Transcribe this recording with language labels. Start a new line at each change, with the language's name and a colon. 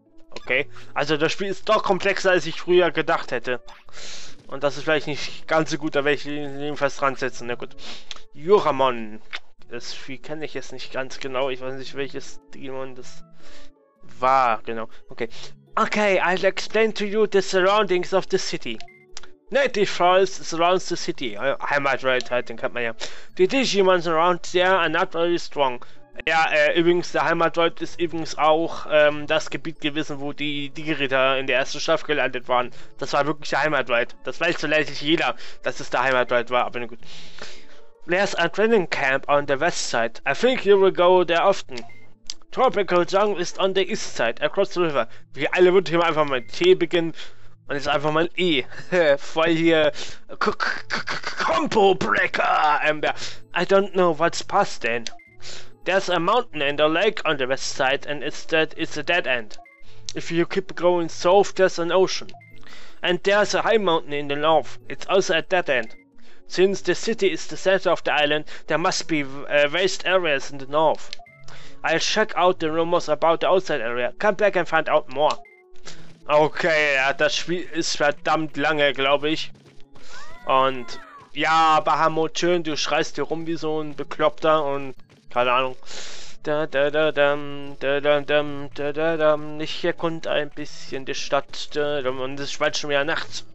German: Okay, also das Spiel ist doch komplexer, als ich früher gedacht hätte. Und das ist vielleicht nicht ganz so gut, da werde ich jedenfalls dran setzen. Na gut, Juramon. Das Spiel kenne ich jetzt nicht ganz genau, ich weiß nicht, welches Digimon das war. Genau, okay.
English: Okay, I'll explain to you the surroundings of the city. Native forest surrounds the city. Heimat, right,
German: halt, den kennt man ja.
English: The Digimon around there are not very strong.
German: Ja, übrigens, der Heimatort ist übrigens auch das Gebiet gewesen, wo die Digiritter in der ersten Staffel gelandet waren. Das war wirklich der Heimatort. Das weiß vielleicht jeder, dass es der Heimatort war, aber na gut.
English: There's a training camp on the west side. I think you will go there often. Tropical Jungle is on the east side, across the river.
German: Wir alle würden hier mal einfach mit T beginnen. Und jetzt einfach mal E. Voll hier. Combo Breaker! Amber.
English: I don't know what's past then. There's a mountain and a lake on the west side, and it's a dead end. If you keep going south, there's an ocean. And there's a high mountain in the north. It's also a dead end. Since the city is the center of the island, there must be waste areas in the north. I'll check out the rumors about the outside area. Come back and find out more.
German: Okay, ja, das Spiel ist verdammt lange, glaube ich. Und ja, Bahamut, schön, du schreist hier rum wie so ein Bekloppter und keine Ahnung. Da da da da da da da da da da. Ich erkunde ein bisschen die Stadt. Da, da, und es war schon wieder nachts.